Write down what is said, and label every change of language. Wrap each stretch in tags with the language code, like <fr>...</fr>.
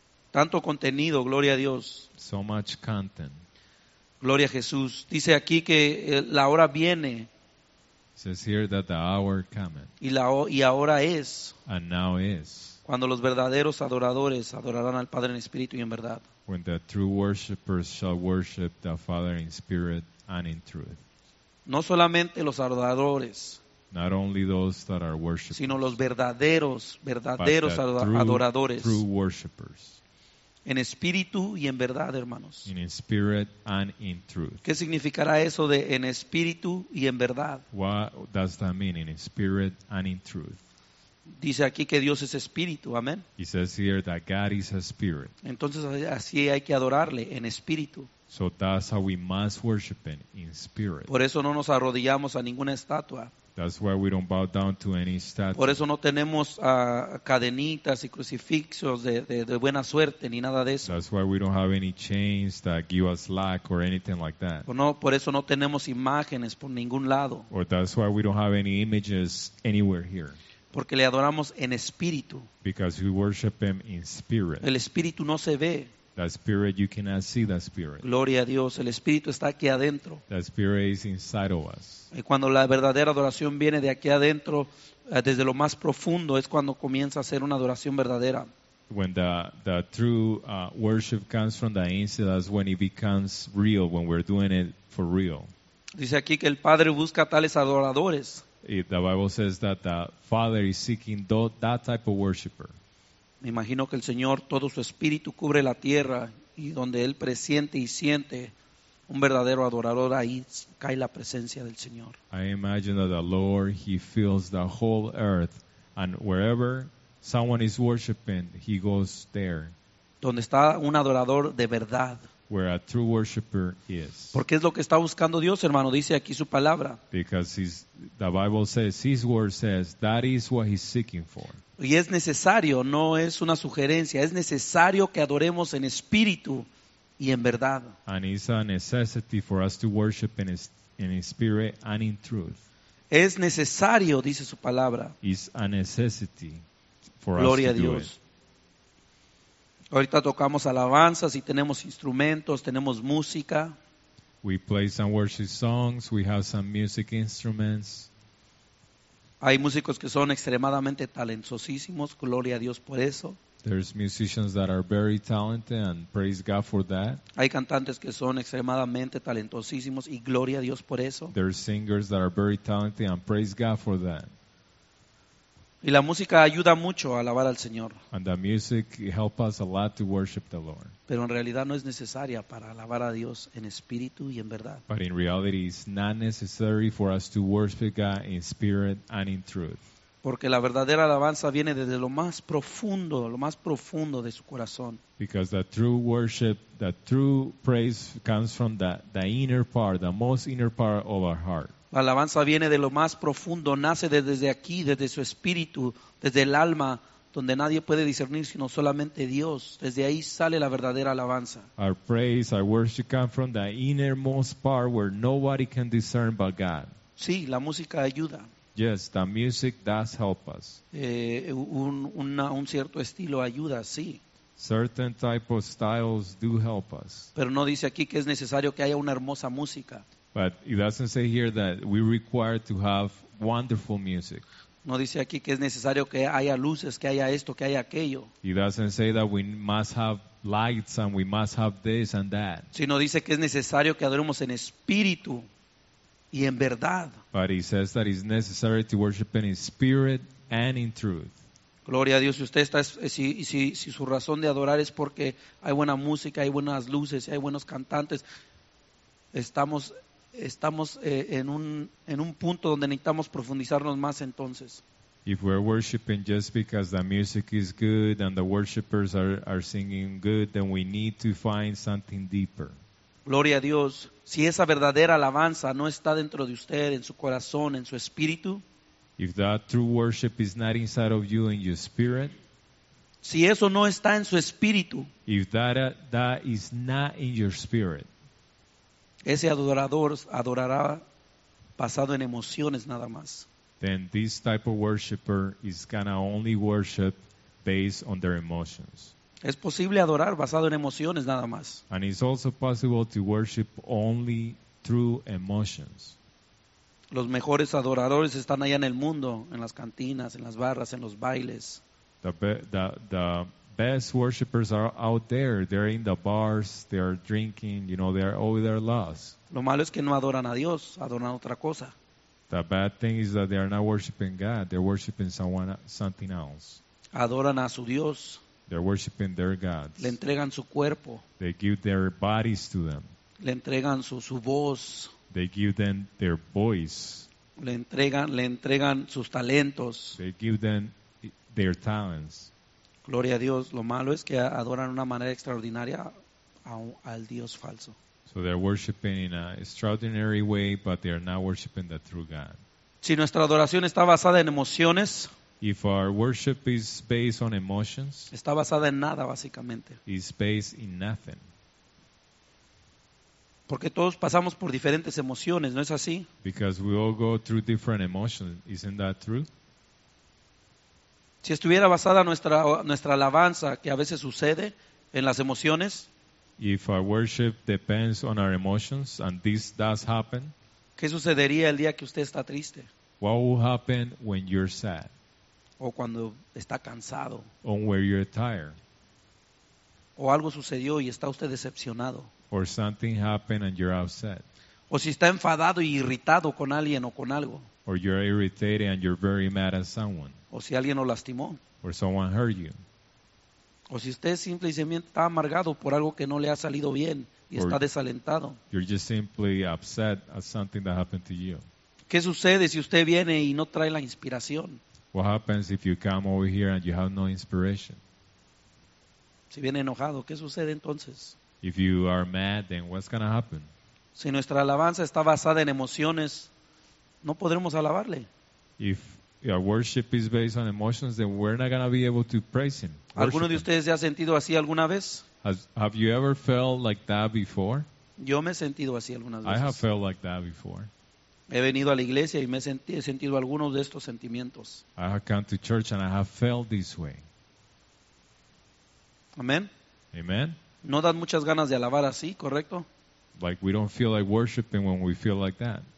<es>Tanto contenido, gloria a Dios.</es> <en>So much content.</en> <es>Gloria a Jesús. Dice aquí que la hora viene.</es> <en>It says here that the hour coming.</en> <es>Y ahora es.</es> <en>And now is.</en> <es>Cuando los verdaderos adoradores adorarán al Padre en espíritu y en verdad.</es> <en>When the true worshipers shall worship the Father in spirit and in truth.</en> <es>No solamente los adoradores.</es> <en>Not only those that are worshipers.</en> <es>Sino los verdaderos adoradores.</es> <en>True worshipers.</en> <es>En espíritu y en verdad, hermanos.</es> <en>In spirit and in truth.</en> <es>¿Qué significará eso de en espíritu y en verdad?</es> <en>What does that mean in spirit and in truth?</en> <es>Dice aquí que Dios es espíritu, amén.</es> <en>It says here that God is a spirit.</en> <es>Entonces así hay que adorarle en espíritu.</es> <en>So that's how we must worship him in spirit.</en> <es>Por eso no nos arrodillamos a ninguna estatua.</es> <en>That's why we don't bow down to any statue.</en> <es>Por eso no tenemos cadenitas y crucifixos de buena suerte ni nada de eso.</es> <en>That's why we don't have any chains that give us luck or anything like that.</en> <es>Por eso no tenemos imágenes por ningún lado.</es> <en>Or that's why we don't have any images anywhere here.</en> <es>Porque le adoramos en espíritu.</es> <en>Because we worship him in spirit.</en> <es>El espíritu no se ve.</es> <en>The spirit, you cannot see the spirit.</en> <es>Gloria a Dios, el espíritu está aquí adentro.</es> <en>The spirit is inside of us.</en> <es>Y cuando la verdadera adoración viene de aquí adentro, desde lo más profundo, es cuando comienza a ser una adoración verdadera.</es> <en>When the true worship comes from the inside, that's when it becomes real, when we're doing it for real.</en> <es>Dice aquí que el Padre busca tales adoradores.</es> <en>The Bible says that the Father is seeking that type of worshiper.</en> <es>Me imagino que el Señor todo su espíritu cubre la tierra y donde él presiente y siente un verdadero adorador ahí cae la presencia del Señor.</es> <en>I imagine that the Lord, he fills the whole earth and wherever someone is worshiping, he goes there.</en> <es>Donde está un adorador de verdad.</es> <en>Where a true worshiper is.</en> <es>Porque es lo que está buscando Dios, hermano. Dice aquí su palabra.</es> <en>Because the Bible says, his word says, that is what he's seeking for.</en> <es>Y es necesario, no es una sugerencia. Es necesario que adoremos en espíritu y en verdad.</es> <en>And it's a necessity for us to worship in in spirit and in truth.</en> <es>Es necesario, dice su palabra.</es> <en>It's a necessity for</en> <es>Gloria</es> <en>us</en> <es>a Dios.</es> <en>Do it.</en> <es>Ahorita tocamos alabanzas y tenemos instrumentos, tenemos música.</es> <en>We play some worship songs, we have some music instruments.</en> <es>Hay músicos que son extremadamente talentosísimos, gloria a Dios por eso.</es> <en>There's musicians that are very talented and praise God for that.</en> <es>Hay cantantes que son extremadamente talentosísimos y gloria a Dios por eso.</es> <en>There's singers that are very talented and praise God for that.</en> <es>Y la música ayuda mucho a alabar al Señor.</es> <en>And the music helps us a lot to worship the Lord.</en> <es>Pero en realidad no es necesaria para alabar a Dios en espíritu y en verdad.</es> <en>But in reality it's not necessary for us to worship God in spirit and in truth.</en> <es>Porque la verdadera alabanza viene desde lo más profundo de su corazón.</es> <en>Because the true worship, the true praise comes from the inner part, the most inner part of our heart.</en> <es>La alabanza viene de lo más profundo, nace desde aquí, desde su espíritu, desde el alma, donde nadie puede discernir sino solamente Dios. Desde ahí sale la verdadera alabanza.</es> <en>Our praise, our worship comes from the innermost part where nobody can discern but God.</en> <es>Sí, la música ayuda.</es> <en>Yes, the music does help us.</en> <es>Un cierto estilo ayuda, sí.</es> <en>Certain type of styles do help us.</en> <es>Pero no dice aquí que es necesario que haya una hermosa música.</es> <en>But it doesn't say here that we require to have wonderful music.</en> <es>No dice aquí que es necesario que haya luces, que haya esto, que haya aquello.</es> <en>It doesn't say that we must have lights and we must have this and that.</en> <es>Sino dice que es necesario que adoremos en espíritu y en verdad.</es> <en>But he says that it's necessary to worship in spirit and in truth.</en> <es>Gloria a Dios. Si su razón de adorar es porque hay buena música, hay buenas luces, hay buenos cantantes, estamos en un punto donde necesitamos profundizarnos más entonces.</es> <en>If we're worshiping just because the music is good and the worshipers are singing good, then we need to find something deeper.</en> <es>Gloria a Dios. Si esa verdadera alabanza no está dentro de usted, en su corazón, en su espíritu.</es> <en>If that true worship is not inside of you in your spirit.</en> <es>Si eso no está en su espíritu.</es> <en>If that is not in your spirit.</en> <es>Ese adorador adorará basado en emociones nada más.</es> <en>Then this type of worshiper is gonna only worship based on their emotions.</en> <es>Es posible adorar basado en emociones nada más.</es> <en>And it's also possible to worship only through emotions.</en> <es>Los mejores adoradores están allá en el mundo, en las cantinas, en las barras, en los bailes.</es> <en>The best worshipers are out there. They're in the bars, they're drinking, you know, they're over their lust.</en> <es>Lo malo es que no adoran a Dios, adoran otra cosa.</es> <en>The bad thing is that they are not worshiping God, they're worshiping something else.</en> <es>Adoran a su Dios.</es> <en>They're worshiping their gods.</en> <es>Le entregan su cuerpo.</es> <en>They give their bodies to them.</en> <es>Le entregan su voz.</es> <en>They give them their voice.</en> <es>Le entregan sus talentos.</es> <en>They give them their talents.</en> <es>Gloria a Dios. Lo malo es que adoran de una manera extraordinaria al Dios falso.</es> <en>So they're worshiping in an extraordinary way, but they are not worshiping the true God.</en> <es>Si nuestra adoración está basada en emociones.</es> <en>If our worship is based on emotions,</en> <es>está basada en nada básicamente.</es> <en>It's based in nothing.</en> <es>Porque todos pasamos por diferentes emociones, ¿no es así?</es> <en>Because we all go through different emotions, isn't that true?</en> <es>Si estuviera basada nuestra alabanza, que a veces sucede, en las emociones.</es> <en>If our worship depends on our emotions and this does happen,</en> <es>¿qué sucedería el día que usted está triste?</es> <en>What will happen when you're sad?</en> <es>O cuando está cansado.</es> <en>On where you're tired.</en> <es>O algo sucedió y está usted decepcionado.</es> <en>Or something happened and you're upset.</en> <es>O si está enfadado e irritado con alguien o con algo.</es> <en>Or you're irritated and you're very mad at someone.</en> <es>O si alguien lo lastimó.</es> <en>Or someone hurt you.</en> <es>O si usted simplemente está amargado por algo que no le ha salido bien y está desalentado.</es> <en>You're just simply upset at something that happened to you.</en> <es>¿Qué sucede si usted viene y no trae la inspiración?</es> <en>What happens if you come over here and you have no inspiration?</en> <es>Si viene enojado, ¿qué sucede entonces?</es> <en>If you are mad, then what's going to happen?</en> <es>Si nuestra alabanza está basada en emociones, no podremos alabarle.</es> <en>If our worship is based on emotions, then we're not going to be able to praise him.</en> <es>¿Alguno de ustedes ya ha sentido así alguna vez?</es> <en>Have you ever felt like that before?</en> <es>Yo me he sentido así algunas veces.</es> <en>I have felt like that before.</en> <es>He venido a la iglesia y me he sentido algunos de estos sentimientos.</es> <en>I have come to church and I have felt this way. Amen. Amen.</en> <es>No dan muchas ganas de alabar así, ¿correcto?</es> <en>Like we don't feel like worshiping when we feel like that.</en>